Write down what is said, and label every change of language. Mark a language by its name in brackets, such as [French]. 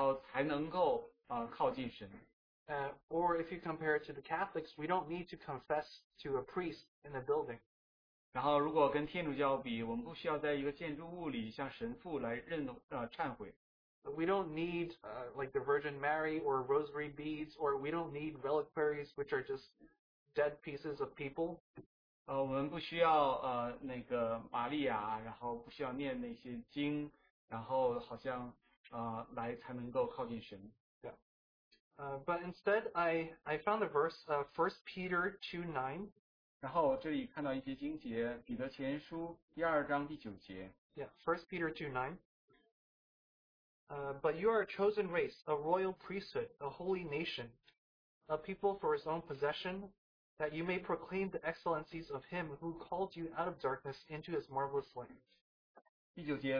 [Chinese] 现在对于我们来说是基督徒，我们不需要再到一个地方，然后才能够靠近神。 [English] Or if you compare it to the Catholics, we don't need to confess to a priest in a building. [Chinese] 然后如果跟天主教比，我们不需要在一个建筑物里向神父来忏悔。 [English] We don't need like the Virgin Mary or rosary beads, or we don't need reliquaries, which are just dead pieces of people. [Chinese] 我们不需要那个玛利亚，然后不需要念那些经，然后好像来才能够靠近神。 [English] Yeah. But instead, I found a verse, 1 Peter 2:9. [Chinese] 然后这里看到一些经节，彼得前书第二章第九节。 [English] Yeah, 1 Peter 2:9. But you are a chosen race, a royal priesthood, a holy nation, a people for his own possession, that you may proclaim the excellencies of him who called you out of darkness into his marvelous light.